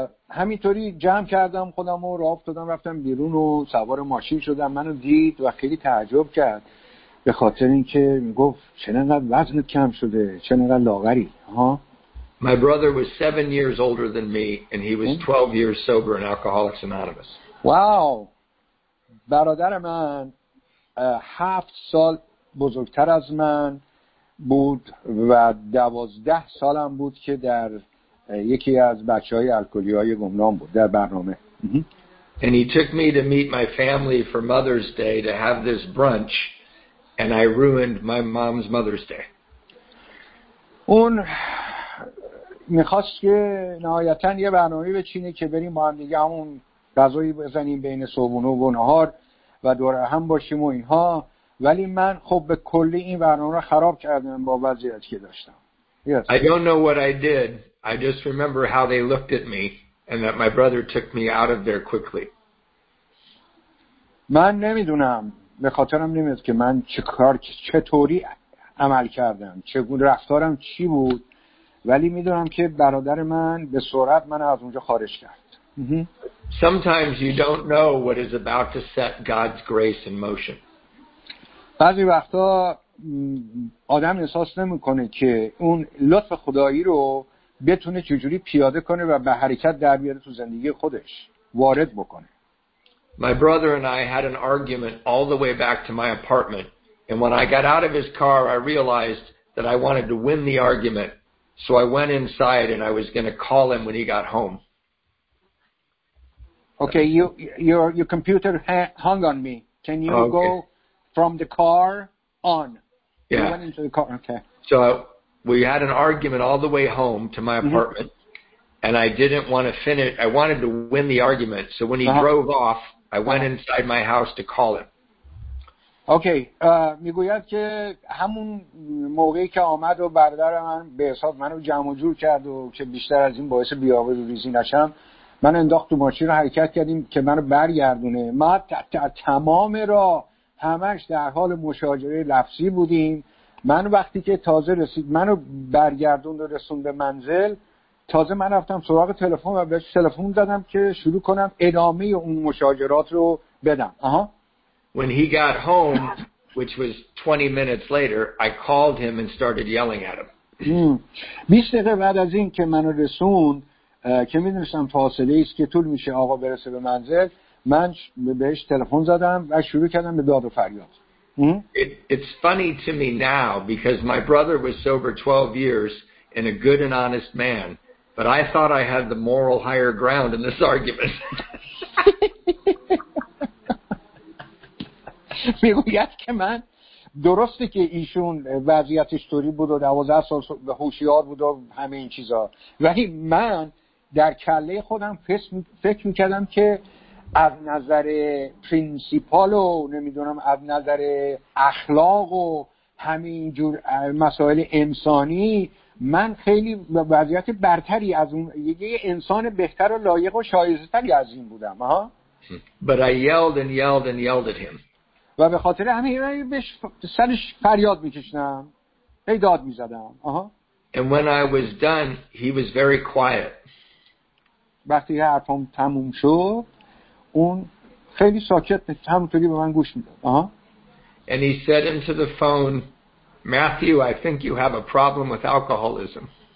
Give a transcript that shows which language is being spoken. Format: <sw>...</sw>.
<fa>همینطوری جمع کردم خودم و راه افتادم رفتم بیرون و سوار ماشین شدم منو دید و خیلی تعجب کرد به خاطر اینکه میگفت چنانقدر وزنت کم شده چنانقدر لاغری ها</fa> <en>My brother was 7 years older than me and he was 12 years sober in Alcoholics Anonymous. Wow.</en> <fa>برادر من 7 سال بزرگتر از من بود و 12 سالم بود که در یکی از بچهای الکلی‌های گمنام بود در برنامه</fa> <en>And he took me to meet my family for Mother's Day to have this brunch and I ruined my mom's Mother's Day</en> <fa>اون میخواست که نهایتاً یه برنامه بچینه که بریم با هم دیگه همون غذایی بزنیم بین صبحونه و نهار و دوره هم باشیم و اینها ولی من خب به کلی این برنامه رو خراب کردم با وضعیتی که داشتم</fa> <en>yes. I don't know what I did I just remember how they looked at me and that my brother took me out of there quickly</en> <fa>من نمیدونم به خاطرم نمیاد که من چطوری عمل کردم، چگونه رفتارم چی بود، ولی میدونم که برادر من به سرعت من از اونجا خارج کرد.</fa> <en>Sometimes you don't know what is about to set God's grace in motion.</en> <fa>بعضی وقتا آدم احساس نمیکنه که اون لطف خدایی رو بتونه چجوری پیاده کنه و به حرکت در بیاره تو زندگی خودش، وارد بکنه.</fa> <en>My brother and I had an argument all the way back to my apartment, and when I got out of his car, I realized that I wanted to win the argument, so I went inside and I was going to call him when he got home. Okay, your computer hung on me. Can you go from the car on? Yeah. You went into the car. Okay. So we had an argument all the way home to my apartment, and I didn't want to finish. I wanted to win the argument, so when he drove off, I went inside my house to call him. Okay.</en> <fa>میگوید که همون موقعی که آمد و برادر من به حساب منو جمع و جور کرد و که بیشتر از این باعث بیابه و ریزی نشم، من انداخت تو ماشین رو حرکت کردیم که منو برگردونه. ما تمام را همش در حال مشاجره لفظی بودیم. من وقتی که تازه رسید منو برگردوند و رسوند به منزل، تازه من رفتم سراغ تلفن و بهش تلفن دادم که شروع کنم ادامه اون مشاجرات رو بدم. آها.</fa> <en>When he got home, which was 20 minutes later, I called him and started yelling at him.</en> <fa>20 دقیقه بعد از این که منو رسوند، که می‌دونستم فاصله ایست که طول میشه آقا برسه به منزل، من بهش تلفن زدم و شروع کردم به داد و فریاد.</fa> <en>It's funny to me now because my brother was sober 12 years and a good and honest man, but I thought I had the moral higher ground in this argument.</en> <fa>میگوید که من درسته که ایشون وضعیتش طوری بود و 12 سال هوشیار بود و همه این چیزا، ولی من در کله خودم فکر میکردم که از نظر پرینسیپال و نمیدونم از نظر اخلاق و همین جور مسائل انسانی من خیلی وضعیت برتری از اون، یه انسان بهتر و لایق و شایسته‌تری از این بودم.</fa> <en>But I yelled and yelled and yelled at him.</en> <fa>و به خاطر همین من بهش سرش فریاد میکشنم، هی داد میزدم.</fa> <en>And when I was done, he was very quiet.</en> <fa>وقتی حرفم تموم شد اون خیلی ساکت همونطوری به من گوش میداد.</fa> <en>And he said into the phone, Matthew, I think you have a problem with alcoholism.</en>